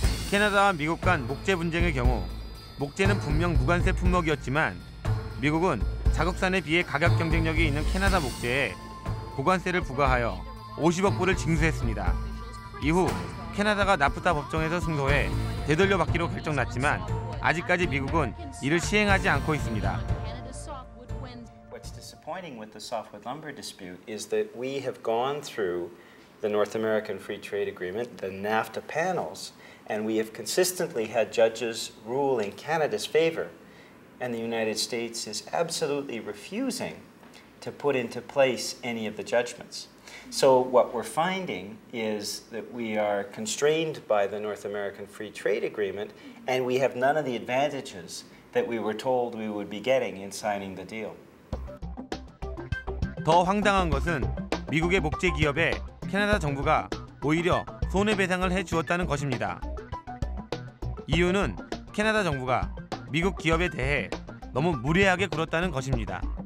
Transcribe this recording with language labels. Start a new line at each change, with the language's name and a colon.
Korean: 캐나다와 미국 간 목재 분쟁의 경우 목재는 분명 무관세 품목이었지만 미국은 자국산에 비해 가격 경쟁력이 있는 캐나다 목재에 고관세를 부과하여 50억 불을 징수했습니다. 이후 캐나다가 나프타 법정에서 승소해 되돌려 받기로 결정났지만 아직까지 미국은 이를 시행하지 않고 있습니다.
English: What's disappointing with the softwood lumber dispute is that we have gone through the North American Free Trade Agreement, the NAFTA panels, and we have consistently had judges rule in Canada's favor. And the United States is absolutely refusing to put into place any of the judgments. So what we're finding is that we are constrained by the North American Free Trade Agreement, and we have none of the advantages that we were told we would be getting in signing the deal.
Korean: 더 황당한 것은 미국의 목재 기업에 캐나다 정부가 오히려 손해배상을 해주었다는 것입니다. 이유는 캐나다 정부가 미국 기업에 대해 너무 무례하게 굴었다는 것입니다.